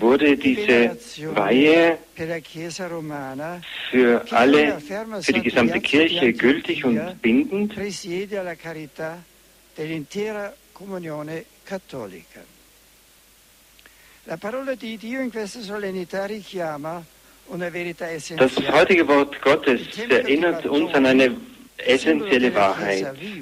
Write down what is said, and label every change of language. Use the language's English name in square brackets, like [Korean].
[German] wurde diese Weihe für die gesamte Kirche gültig und bindend, [Italian] presiede alla carità dell'intera comunione cattolica. La parola di Dio in questa solennità richiama una verità essenziale. [German] Das heutige Wort Gottes erinnert uns an eine essentielle Wahrheit.